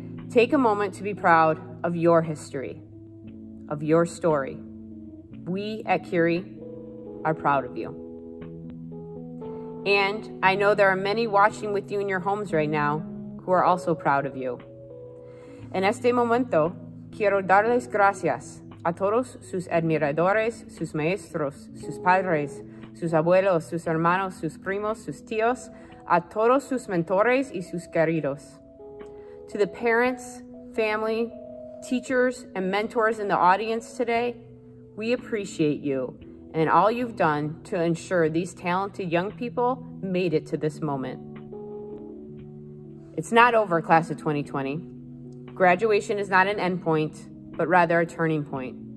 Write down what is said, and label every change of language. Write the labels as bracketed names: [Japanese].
[English] Take a moment to be proud of your history, of your story. We at Curie are proud of you. And I know there are many watching with you in your homes right now who are also proud of you. [Spanish] En este momento, quiero darles gracias a todos sus admiradores, sus maestros, sus padres, sus abuelos, sus hermanos, sus primos, sus tíos, a todos sus mentores y sus queridos. [English] To the parents, family, teachers, and mentors in the audience today, we appreciate you and all you've done to ensure these talented young people made it to this moment. It's not over, class of 2020. Graduation is not an endpoint, but rather a turning point.